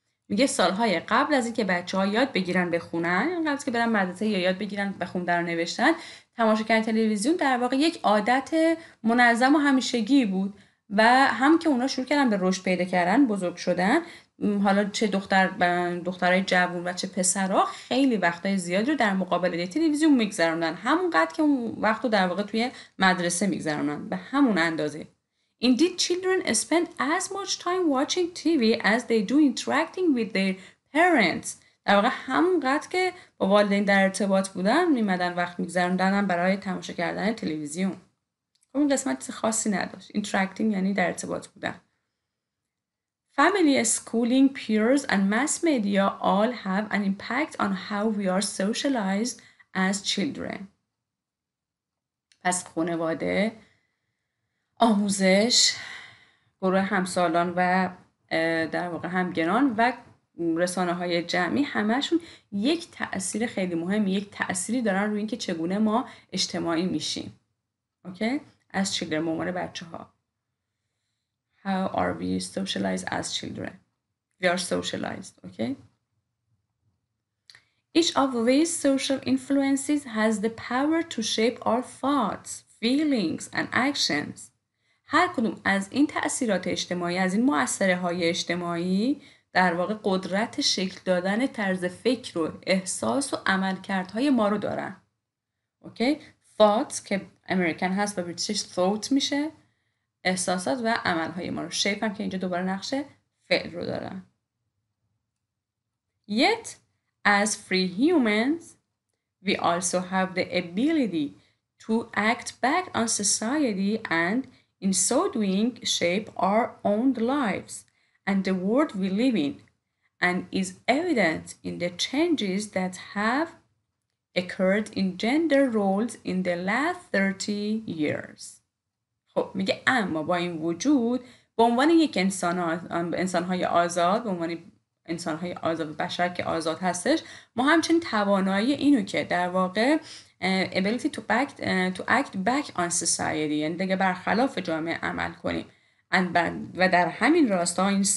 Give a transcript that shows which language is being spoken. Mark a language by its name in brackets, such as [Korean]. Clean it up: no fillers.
[Persian] میگه سالهای قبل از اینکه بچه‌ها یاد بگیرن بخونن، قبل از که برن مدرسه یا یاد بگیرن بخوندن و نوشتن، تماشا کردن تلویزیون در واقع یک عادت منظم و همیشگی بود و هم که اونا شروع کردن به رشد پیدا کردن، بزرگ شدن، حالا چه دخترای جوون و چه پسرها خیلی وقتای زیاد رو در مقابل تلویزیون میگذرونن، همونقدر که اون وقت رو در واقع توی مدرسه میگذرونن به همون اندازه. [English] Indeed, children spend as much time watching TV as they do interacting with their parents. [Persian] در واقع همونقدر که با والدین در ارتباط بودن میمدن وقت میگذروندن برای تماشا کردن تلویزیون. خب این قسمت خاصی نداشت. Interacting یعنی در ارتباط بودن. [English] Family, schooling, peers and mass media all have an impact on how we are socialized as children. [Persian] پس خانواده، آموزش، گروه همسالان و در واقع همگنان و رسانه های جمعی همشون یک تأثیر خیلی مهم، یک تأثیری دارن روی اینکه چگونه ما اجتماعی میشیم. [English] Okay? [Persian] از [English] children، [Persian] ممار بچه ها. [English] How are we socialized as children? We are socialized, okay? Each of these social influences has the power to shape our thoughts, feelings, and actions. [Persian] هر کدوم از این تأثیرات اجتماعی، از این مؤثره های اجتماعی، در واقع قدرت شکل دادن طرز فکر و احساس و عمل کرد های ما رو دارن. Okay? Thoughts که امریکن هست و بریتیش thought میشه، احساسات و عملهای ما رو. شیپ هم که اینجا دوباره نقشه فعل رو دارن. [English] Yet, as free humans, we also have the ability to act back on society and in so doing shape our own lives and the world we live in and is evident in the changes that have occurred in gender roles in the last 30 years. [Persian] خب میگه اما با این وجود به عنوان یک انسان‌های آزاد بشر که آزاد هستش، ما همچنین توانایی اینو که در واقع [English] ability to act back on society، [Persian] یعنی دیگه برخلاف جامعه عمل کنیم و در همین راستا